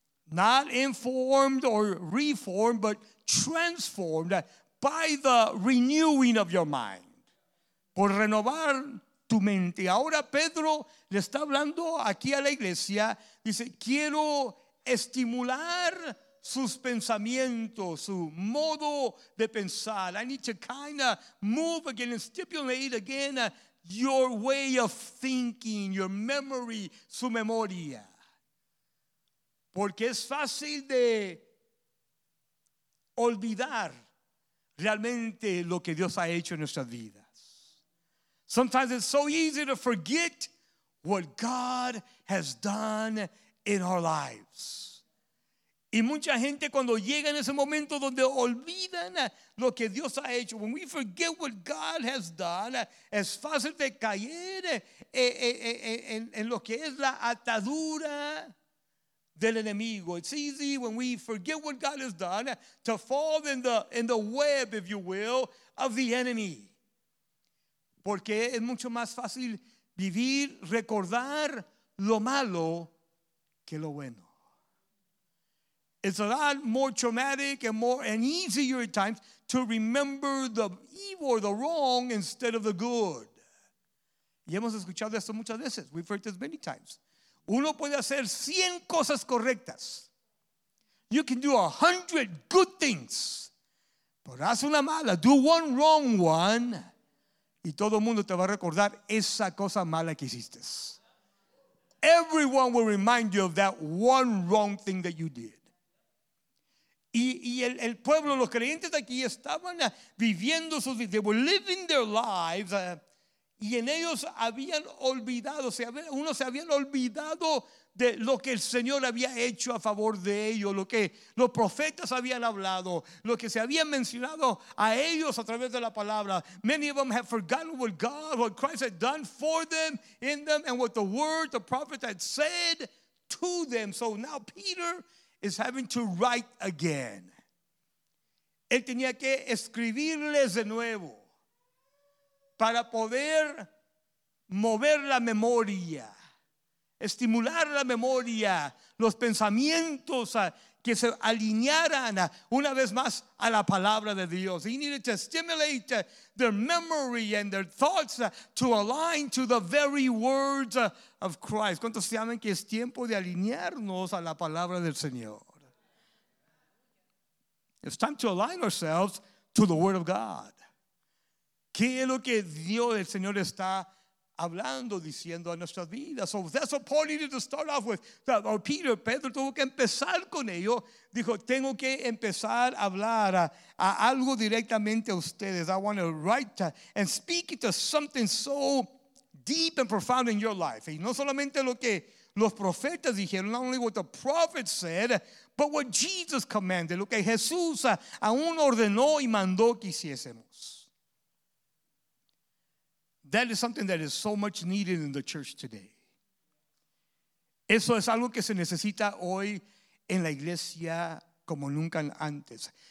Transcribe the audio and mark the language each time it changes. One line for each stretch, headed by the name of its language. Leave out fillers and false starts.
English: Not informed or reformed, but transformed by the renewing of your mind.
Spanish: Por renovar tu mente. Ahora Pedro le está hablando aquí a la iglesia. Dice, quiero estimular sus pensamientos, su modo de pensar.
English: I need to kind of move again and stipulate again your way of thinking, your memory,
Spanish: su memoria. Porque es fácil de olvidar realmente lo que Dios ha hecho en nuestras vidas.
English: Sometimes it's so easy to forget what God has done in our lives.
Spanish: Y mucha gente cuando llega en ese momento donde olvidan lo que Dios ha hecho,
English: when we forget what God has done,
Spanish: es fácil de caer en lo que es la atadura del enemigo.
English: It's easy when we forget what God has done to fall in the web, if you will, of the enemy.
Spanish: Porque es mucho más fácil vivir, recordar lo malo que lo bueno.
English: It's a lot more traumatic and more and easier at times to remember the evil or the wrong instead of the good.
Spanish: Y hemos escuchado esto muchas veces.
English: We've heard this many times.
Spanish: Uno puede hacer 100 cosas correctas.
English: You can do 100 good things.
Spanish: Pero haz una mala.
English: Do one wrong one.
Spanish: Y todo el mundo te va a recordar esa cosa mala que hiciste.
English: Everyone will remind you of that one wrong thing that you did.
Spanish: Y el pueblo, los creyentes aquí estaban viviendo sus vidas.
English: They were living their lives.
Spanish: Y en ellos habían olvidado, uno se habían olvidado de lo que el Señor había hecho a favor de ellos, lo que los profetas habían hablado, lo que se habían mencionado a ellos a través de la palabra.
English: Many of them have forgotten what God, what Christ had done for them, in them, and what the word, the prophet had said to them. So now Peter is having to write again.
Spanish: Él tenía que escribirles de nuevo para poder mover la memoria, estimular la memoria, los pensamientos que se alinearan una vez más a la palabra de Dios.
English: He needed to stimulate their memory and their thoughts to align to the very words of Christ.
Spanish: ¿Cuántos saben que es tiempo de alinearnos a la palabra del Señor?
English: It's time to align ourselves to the word of God.
Spanish: ¿Qué es lo que Dios, el Señor, está hablando, diciendo a nuestras vidas?
English: So that's what Paul needed to start off with.
Spanish: Pedro tuvo que empezar con ello. Dijo, tengo que empezar a hablar a algo directamente a ustedes.
English: I want to write and speak to something so deep and profound in your life.
Spanish: Y no solamente lo que los profetas dijeron,
English: not only what the prophets said, but what Jesus commanded,
Spanish: lo que Jesús aún ordenó y mandó que hiciésemos.
English: That is something that is so much needed in the church today.
Spanish: Eso es algo que se necesita hoy en la iglesia como nunca antes.